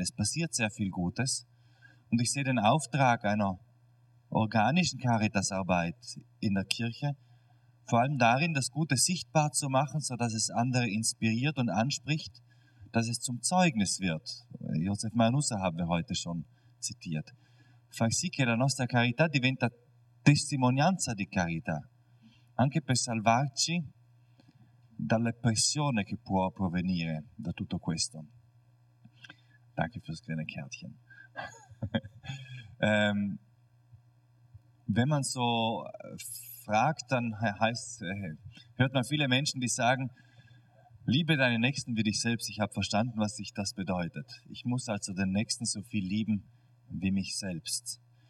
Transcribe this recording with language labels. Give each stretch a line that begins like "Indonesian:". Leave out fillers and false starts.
German: Es passiert sehr viel Gutes. Und ich sehe den Auftrag einer organischen Caritasarbeit in der Kirche vor allem darin, das Gute sichtbar zu machen, sodass es andere inspiriert und anspricht, dass es zum Zeugnis wird. Josef Manusa haben wir heute schon zitiert.
Italian: Fa sì che la nostra carità diventa testimonianza di carità. Anche per salvarci dalla pressione che può provenire da tutto questo.
German: Danke fürs kleine Kärtchen. wenn man so fragt, dann hört man viele Menschen, die sagen, liebe deine Nächsten wie dich selbst. Ich habe verstanden, was sich das bedeutet. Ich muss also den Nächsten so viel lieben wie mich selbst.